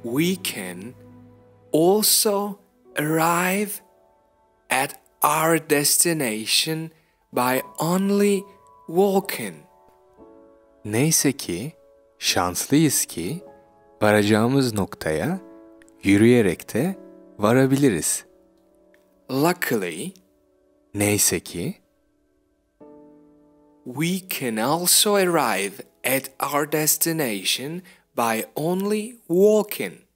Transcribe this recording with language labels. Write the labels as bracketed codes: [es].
[en] we can also arrive at our destination by only walking. [tr] Neyse ki, şanslıyız ki, varacağımız noktaya yürüyerek de varabiliriz. [en] Luckily, [tr] neyse ki, [en] we can also arrive at our destination by only walking.